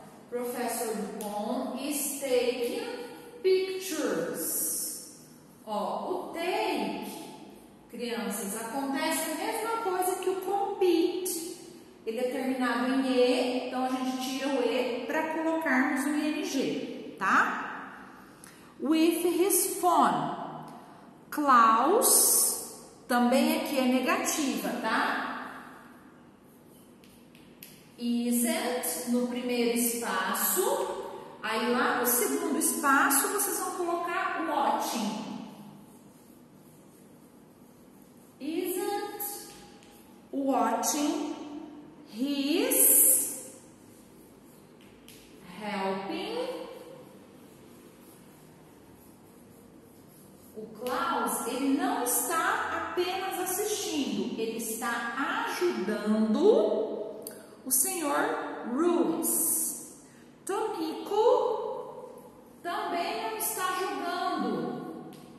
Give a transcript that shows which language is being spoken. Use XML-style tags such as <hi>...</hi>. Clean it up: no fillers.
<en>Professor Dupont is taking pictures.</en> <pt>Ó, o take, crianças, acontece a mesma coisa que o compete. Ele é terminado em E, então a gente tira o E para colocarmos o ING, tá?</pt> <en>With his phone.</en> <pt>Klaus, também aqui é negativa, tá? Isn't, no primeiro espaço. Aí lá no segundo espaço, vocês vão colocar watching.</pt> <en>Isn't watching his helping.</en> <pt>O Klaus, ele não está apenas assistindo, ele está ajudando o senhor Ruiz. Tomiko também não está jogando.</pt>